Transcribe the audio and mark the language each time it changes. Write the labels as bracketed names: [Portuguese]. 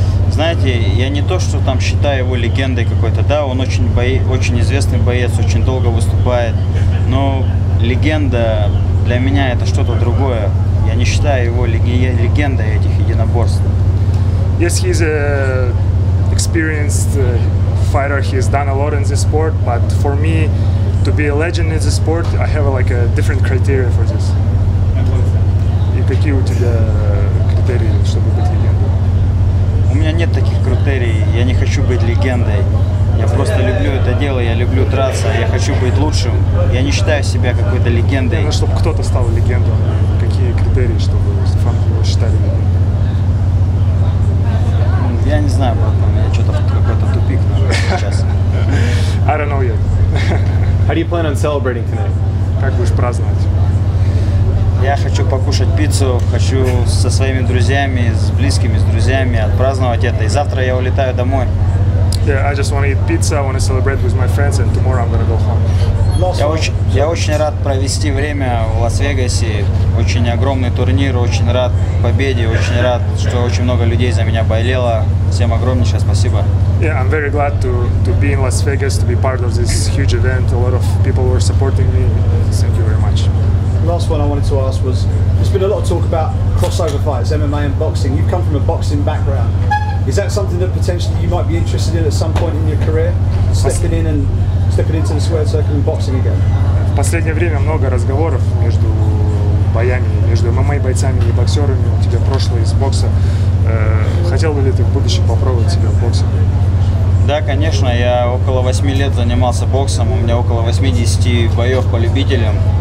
[Russian] Знаете, я не то, что там считаю его легендой какой-то, да, он очень известный боец, очень долго выступает, но легенда для меня это что-то другое. Я не считаю его легендой этих единоборств. [English] Yes, he's an experienced fighter, he's done a lot in this sport, but for me to be a legend in this sport, I have like a different criteria for this. [Russian] И какие у тебя критерии, чтобы быть легендой? У меня нет таких критерий, я не хочу быть легендой. Я просто люблю это дело, я люблю драться, я хочу быть лучшим. Я не считаю себя какой-то легендой. Ну, чтобы кто-то стал легендой, какие критерии, чтобы фанки его считали легендой? Я не знаю, братан, я что-то в какой-то тупик сейчас. [English] I don't know yet. How do you plan on celebrating tonight? [Russian] Как будешь праздновать? Я хочу покушать пиццу, хочу со своими друзьями, с близкими, с друзьями отпраздновать это. И завтра я улетаю домой. [English] Yeah, I just want to eat pizza, I want to celebrate with my friends, and tomorrow I'm gonna go home. [Russian] Я очень рад провести время в Лас-Вегасе. Очень огромный турнир, очень рад победе, очень рад, что очень много людей за меня болело. Всем огромнейшее спасибо. [English] Yeah, I'm very glad to be in Las Vegas, to be part of this huge event. A lot of people were supporting me. Thank you very much. Last one I wanted to ask was, there's been a lot of talk about crossover fights, MMA and boxing. You've come from a boxing background. Is that something that potentially you might be interested in at some point in your career? Stepping into the square circle and boxing again? [Russian] В последнее время много разговоров между боями, между MMA бойцами и боксерами. У тебя прошлое из бокса. Хотел ли ты в будущем попробовать себя в боксе? Да, конечно. Я около 8 лет занимался боксом. У меня около 80 боев по любителям.